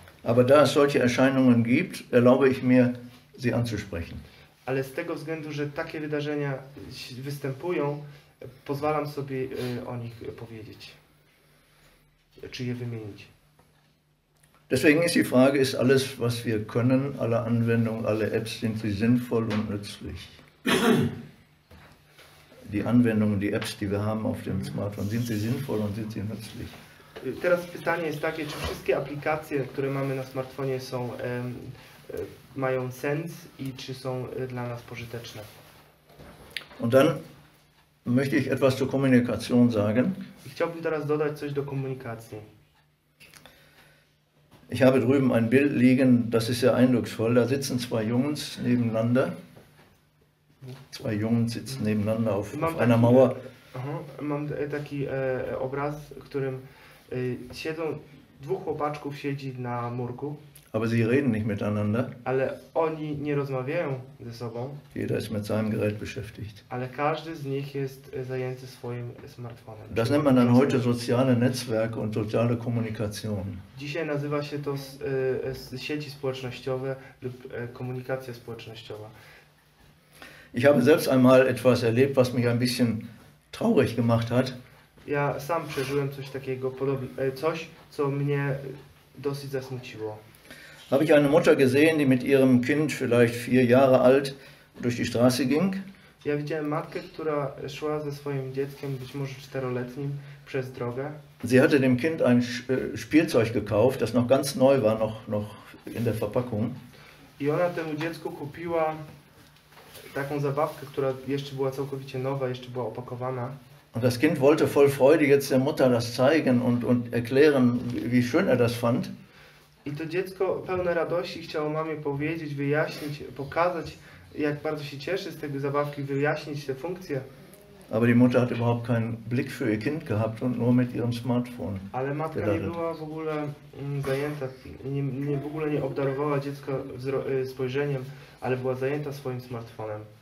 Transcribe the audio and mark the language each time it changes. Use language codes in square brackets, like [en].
[de] Aber da es solche Erscheinungen gibt, erlaube ich mir, sie anzusprechen. [pl] Ale z tego względu, że takie wydarzenia występują, pozwalam sobie o nich powiedzieć, czy je wymienić. [de] Deswegen ist die Frage, ist alles, was wir können, alle Anwendungen, alle Apps, sind sie sinnvoll und nützlich? Die Anwendungen, die Apps, die wir haben auf dem Smartphone, sind sie sinnvoll und sind sie nützlich? [pl] Teraz pytanie jest takie, czy wszystkie aplikacje, które mamy na smartfonie są, mają sens i czy są dla nas pożyteczne? [de] Und dann möchte ich etwas zur Kommunikation sagen. [pl] I chciałbym teraz dodać coś do komunikacji. [de] Ich habe drüben ein Bild liegen, das ist sehr eindrucksvoll. Da sitzen zwei Jungs nebeneinander. Zwei Jungen sitzen nebeneinander auf einer Mauer. [pl] Mam taki obraz, którym siedzą, dwóch chłopaczków siedzi na murku. [de] Aber sie reden nicht miteinander. [pl] Ale oni nie rozmawiają ze sobą. [de] Jeder ist mit seinem Gerät beschäftigt. [pl] Ale każdy z nich jest zajęty swoim smartfonem. [de] Das nennt man dann heute soziale Netzwerke und soziale Kommunikation. [pl] Dzisiaj nazywa się to sieci społecznościowe lub komunikacja społecznościowa. [de] Ich habe selbst einmal etwas erlebt, was mich ein bisschen traurig gemacht hat. [pl] Ja sam przeżyłem coś takiego, coś, co mnie dosyć zasmuciło. [de] Habe ich eine Mutter gesehen, die mit ihrem Kind, vielleicht 4 Jahre alt, durch die Straße ging. [pl] Ja widziałem matkę, która szła ze swoim dzieckiem, być może czteroletnim, przez drogę. [de] Sie hatte dem Kind ein Spielzeug gekauft, das noch ganz neu war, noch in der Verpackung. [pl] I ona temu dziecku kupiła taką zabawkę, która jeszcze była całkowicie nowa, jeszcze była opakowana. [de] Und das Kind wollte voll Freude jetzt der Mutter das zeigen und erklären, wie schön das fand. [pl] I to dziecko pełne radości chciało mamie powiedzieć, wyjaśnić, pokazać, jak bardzo się cieszy z tej zabawki, wyjaśnić te funkcje. [de] Aber die Mutter hat überhaupt keinen Blick für ihr Kind gehabt und nur mit ihrem Smartphone. [pl] Ale matka nie była w ogóle zajęta, nie w ogóle nie obdarowała dziecka spojrzeniem, ale była zajęta swoim smartfonem.